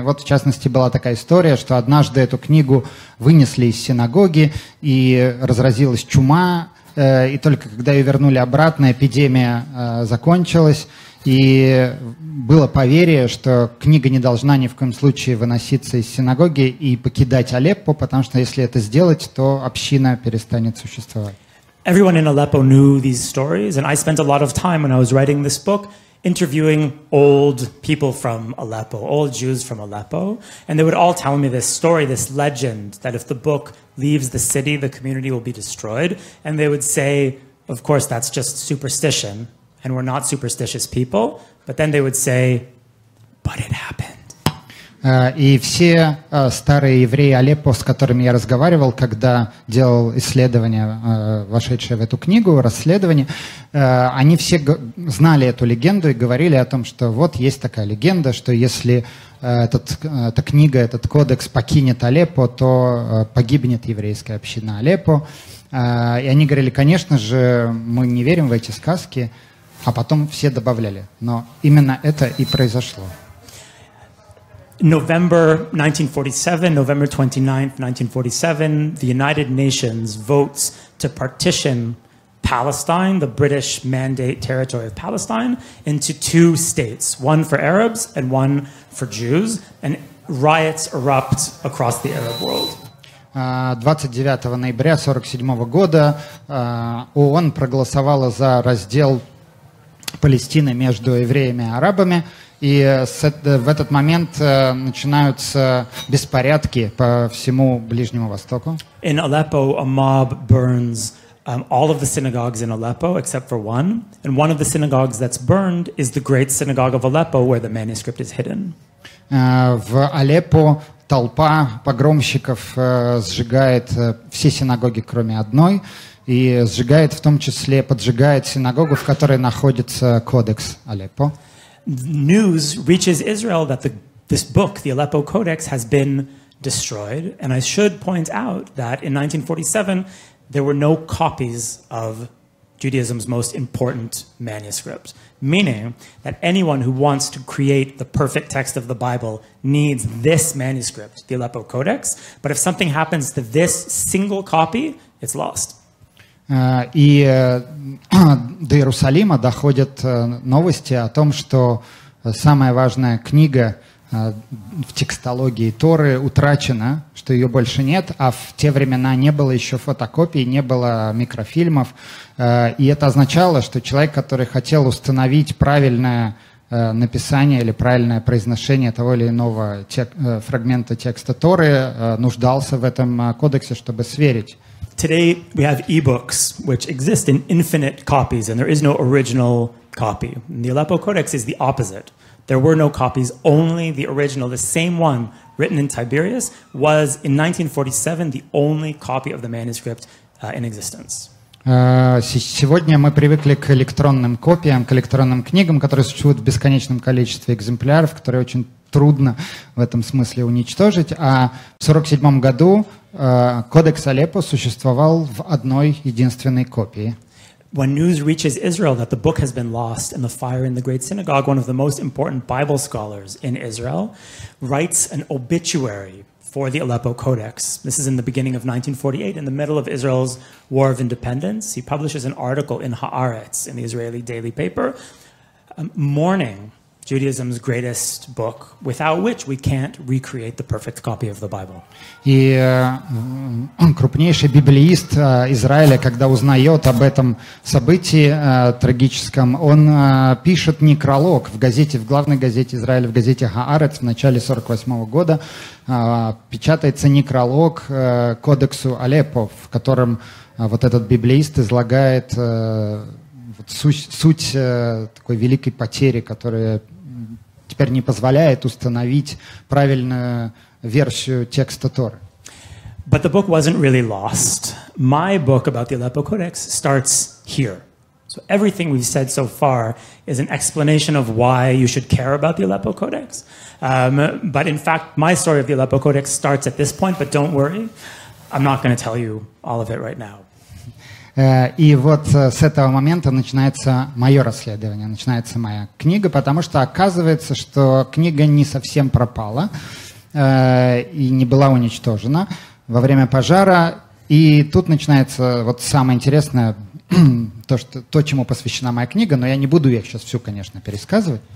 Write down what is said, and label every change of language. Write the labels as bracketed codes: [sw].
[ru] Вот, в частности, была такая история, что однажды эту книгу вынесли из синагоги, и разразилась чума, и только когда ее вернули обратно, эпидемия закончилась, и было поверье, что книга не должна ни в коем случае выноситься из синагоги и покидать Алеппо, потому что если это сделать, то община перестанет существовать. [en] Everyone in Aleppo knew these stories, and I spent a lot of time when I was writing this book interviewing old people from Aleppo, old Jews from Aleppo, and they would all tell me this story, this legend, that if the book leaves the city, the community will be destroyed. And they would say, of course, that's just superstition, and we're not superstitious people. But then they would say, but it happened. [ru] И все старые евреи Алеппо, с которыми я разговаривал, когда делал исследование, вошедшее в эту книгу, расследование, они все знали эту легенду и говорили о том, что вот есть такая легенда, что если эта книга, этот кодекс покинет Алеппо, то погибнет еврейская община Алеппо. И они говорили: конечно же, мы не верим в эти сказки. А потом все добавляли: но именно это и произошло. [en] November 1947, November 29th, 1947, the United Nations votes to partition Palestine, the British Mandate territory of Palestine, into two states, one for Arabs and one for Jews, and riots erupt across the Arab world. [ru] 29 ноября 1947 года ООН проголосовала за раздел Палестины между евреями и арабами. И в этот момент начинаются беспорядки по всему Ближнему Востоку. [en] In Aleppo, a mob burns all of the synagogues in Aleppo, except for one. And one of the synagogues that's burned is the great synagogue of Aleppo, where the manuscript is hidden. [ru] В Алеппо толпа погромщиков сжигает все синагоги, кроме одной, и сжигает в том числе, поджигает синагогу, в которой находится кодекс Алеппо. [en] News reaches Israel that this book, the Aleppo Codex, has been destroyed. And I should point out that in 1947 there were no copies of Judaism's most important manuscript, meaning that anyone who wants to create the perfect text of the Bible needs this manuscript, the Aleppo Codex. But if something happens to this single copy, it's lost. [ru] И до Иерусалима доходят новости о том, что самая важная книга в текстологии Торы утрачена, что ее больше нет, а в те времена не было еще фотокопий, не было микрофильмов. И это означало, что человек, который хотел установить правильное написание или правильное произношение того или иного фрагмента текста Торы, нуждался в этом кодексе, чтобы сверить. [en] Today we have e-books, which exist in infinite copies, and there is no original copy. And the Aleppo Codex is the opposite. There were no copies, only the original, the same one written in Tiberias, was in 1947 the only copy of the manuscript in existence. [ru] Сегодня мы привыкли к электронным копиям, к электронным книгам, которые существуют в бесконечном количестве экземпляров, которые очень трудно в этом смысле уничтожить. А в 1947 году кодекс Алеппо существовал в одной единственной копии. [en] When news reaches Israel that the book has been lost in the fire in the Great Synagogue, one of the most important Bible scholars in Israel writes an obituary for the Aleppo Codex. This is in the beginning of 1948, in the middle of Israel's War of Independence. He publishes an article in Haaretz, in the Israeli daily paper, mourning Judaism's greatest book, without which we can't recreate the perfect copy of the Bible. [ru] И крупнейший библеист Израиля, когда узнает об этом событии трагическом, он пишет некролог в газете, в главной газете Израиля, в газете Хаарец в начале 1948 года, печатается некролог кодексу Алеппо, в котором вот этот библеист излагает суть такой великой потери, которая теперь не позволяет установить правильную версию текста Торы. [en] But the book wasn't really lost. My book about the Aleppo Codex starts here. So everything we've said so far is an explanation of why you should care about the Aleppo Codex. But in fact, my story of the Aleppo Codex starts at this point, but don't worry, I'm not going to tell you all of it right now. [ru] И вот с этого момента начинается мое расследование, начинается моя книга, потому что оказывается, что книга не совсем пропала и не была уничтожена во время пожара. И тут начинается вот самое интересное, то, чему посвящена моя книга, но я не буду ее сейчас всю, конечно, пересказывать.